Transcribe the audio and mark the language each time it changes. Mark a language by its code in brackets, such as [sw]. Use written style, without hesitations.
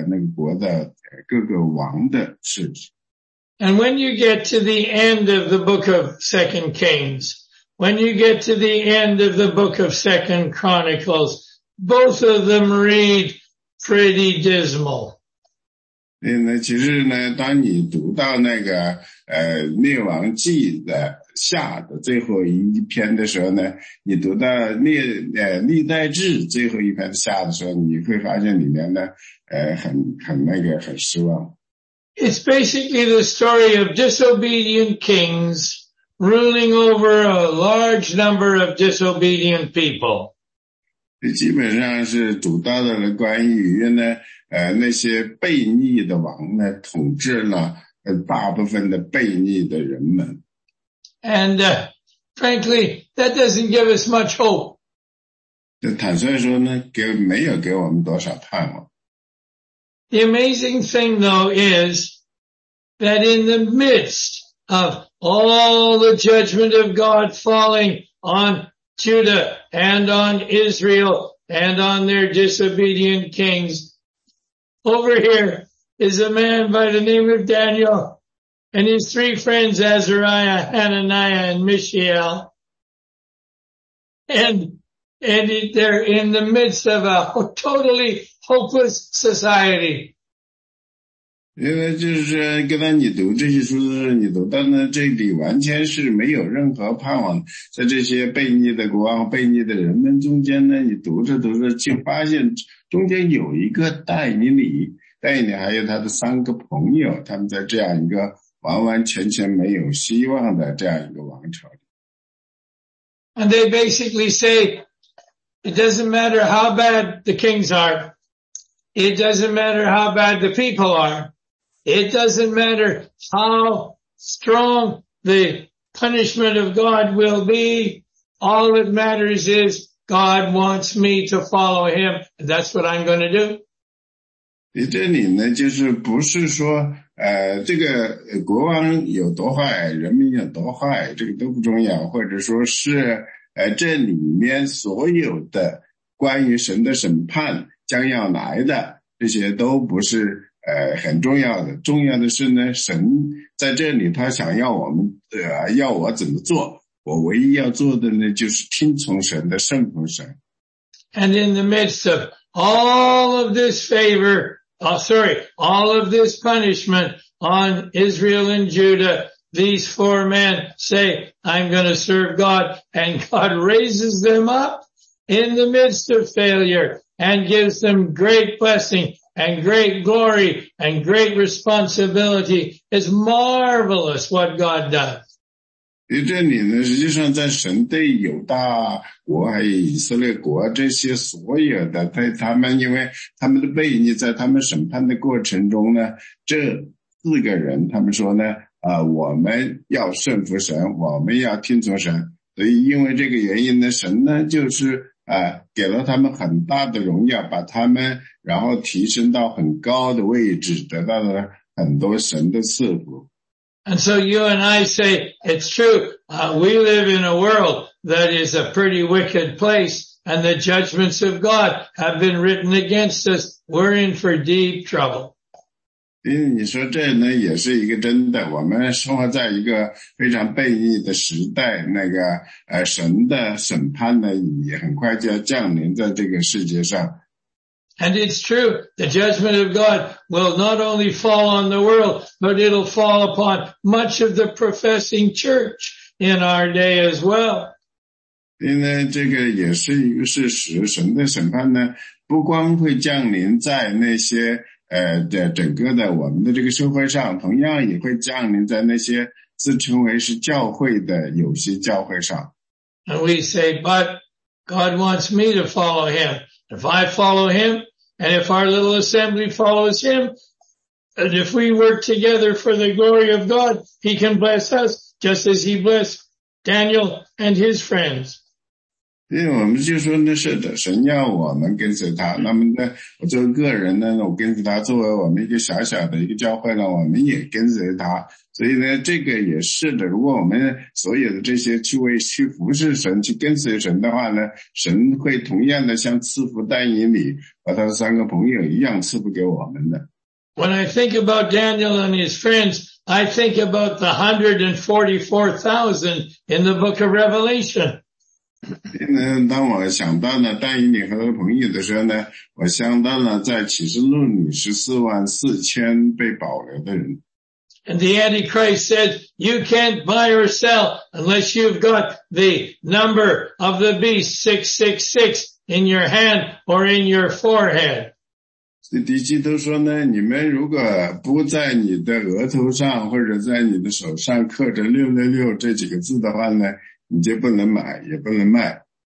[zh] 因为这个就是我认为呢，我为什么就这么想呢？其实就是因为我去读了一些关于历史上的犹大的那个国的各个王的事迹。 [en] And when you get to the end of the book of 2 Kings, when you get to the end of the book of 2 Chronicles, both of them read pretty dismal. [zh] 其实呢，当你读到那个《列王记》的下的最后一篇的时候呢，你读到《历代志》最后一篇下的时候，你会发现里面呢，很失望。 [en] It's basically the story of disobedient kings ruling over a large number of disobedient people. [zh] 基本上是读到的关于呢，那些悖逆的王呢，统治了大部分的悖逆的人们。 [en] And frankly, that doesn't give us much hope. [zh] 就坦率说呢，没有给我们多少盼望。 [en] The amazing thing though is that in the midst of all the judgment of God falling on Judah and on Israel and on their disobedient kings, over here is a man by the name of Daniel and his three friends, Azariah, Hananiah, and Mishael. And they're in the midst of a totally hopeless society. [zh] 因为就是刚才你读这些书的时候，你读到呢这里完全是没有任何盼望，在这些悖逆的国王、悖逆的人们中间呢，你读着读着就发现中间有一个戴尼还有他的三个朋友，他们在这样一个完完全全没有希望的这样一个王朝里。 [en] And they basically say, it doesn't matter how bad the kings are, it doesn't matter how bad the people are. It doesn't matter how strong the punishment of God will be. All that matters is God wants me to follow him. And that's what I'm going to do. [zh] 这里呢就是不是说这个国王有多坏，人民有多坏，这个都不重要，或者说是这里面所有的关于神的审判将要来的，这些都不是很重要的，重要的是呢，神在这里他想要我们要我怎么做，我唯一要做的呢就是听从神的，顺服神。 [en] And in the midst of all of this favor, all of this punishment on Israel and Judah, these four men say, I'm going to serve God, and God raises them up in the midst of failure and gives them great blessing. And great glory and great responsibility is marvelous what God does. [zh] 这里呢实际上在神对犹大国还有以色列国这些所有的在他们因为他们的悖逆在他们审判的过程中呢这四个人他们说呢我们要顺服神我们要听从神所以因为这个原因呢神呢就是给了他们很大的荣耀把他们然后提升到很高的位置得到了很多神的赐福。 [en] And so you and I say, it's true, we live in a world that is a pretty wicked place and the judgments of God have been written against us. We're in for deep trouble. [zh] 因为你说这呢也是一个真的我们生活在一个非常悖逆的时代那个神的审判呢也很快就要降临在这个世界上。 [en] And it's true, the judgment of God will not only fall on the world, but it'll fall upon much of the professing church in our day as well. [zh] 因为这个也是一个事实，神的审判呢，不光会降临在那些的整个的我们的这个社会上，同样也会降临在那些自称为是教会的有些教会上。 [en] And we say, but God wants me to follow him. If I follow him, and if our little assembly follows him, and if we work together for the glory of God, he can bless us just as he blessed Daniel and his friends. [zh] 因为我们就说呢，是的，神要我们跟随他。那么呢，我作为个人呢，我跟随他，作为我们一个小小的一个教会呢，我们也跟随他。所以呢，这个也是的。如果我们所有的这些去为去服侍神、去跟随神的话呢，神会同样的像赐福丹尼里把他的三个朋友一样赐福给我们的。 [en] When I think about Daniel and his friends, I think about the 144,000 in the Book of Revelation. [zh] 当我想到呢丹尼里和他的朋友的时候呢，我想到了在启示录里144,000被保留的人。 [en] And the Antichrist said, you can't buy or sell unless you've got the number of the beast 666 in your hand or in your forehead. [zh] 敌基督说呢，你们如果不在你的额头上或者在你的手上刻着666这几个字的话呢，你就不能买也不能卖。